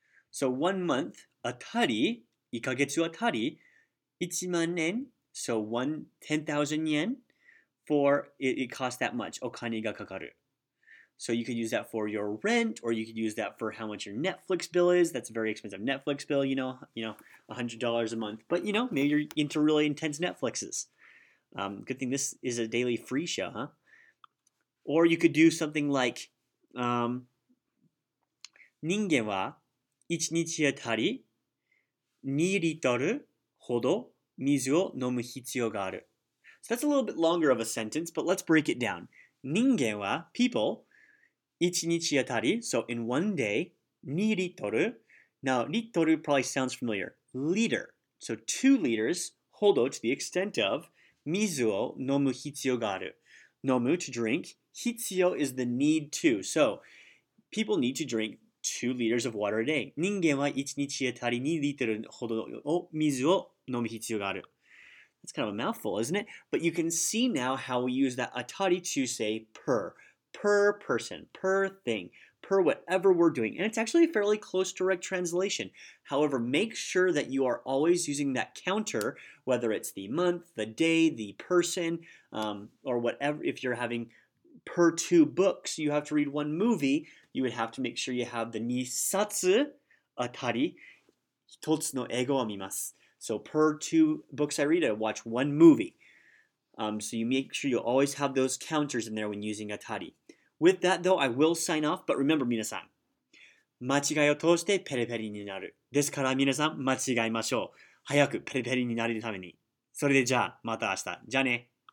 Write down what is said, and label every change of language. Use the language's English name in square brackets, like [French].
[English] So 1 month, [Japanese] atari, ikagetsu atari, [English] 1万円, so 10,000 yen, for it costs that much, [Japanese] o kani ga kakaru. [English] So you could use that for your rent, or you could use that for how much your Netflix bill is. That's a very expensive Netflix bill, you know, $100 a month. But, you know, maybe you're into really intense Netflixes. Good thing this is a daily free show, huh? Or you could do something like, [Japanese] 人間は 1日あたり 2リットルほど水を飲む必要がある. [English] So that's a little bit longer of a sentence, but let's break it down. 人間は, people... 1日あたり, so in 1 day, 2リットル. Now, リットル probably sounds familiar. Liter, so 2 liters, hodo to the extent of, [Japanese] 水を飲む必要がある. [English] 飲む, to drink. 必要 is the need to. So, people need to drink 2 liters of water a day. [Japanese] 人間は1日あたり 2リットルほどを水を飲む必要がある. [English] That's kind of a mouthful, isn't it? But you can see now how we use that atari to say per. Per person, per thing, per whatever we're doing. And it's actually a fairly close direct translation. However, make sure that you are always using that counter, whether it's the month, the day, the person, or whatever. If you're having per 2 books, you have to read 1 movie, you would have to make sure you have the [Japanese] nisatsu atari hitotsu no ego wa mimasu. [English] So per 2 books I read, I watch 1 movie. So you make sure you always have those counters in there when using atari. With that, though, I will sign off. But remember, [Japanese] 皆さん, 間違いを通してペリペリになる. ですから皆さん, 間違いましょう.早くペリペリになるために. それでじゃあ、また明日。じゃあね。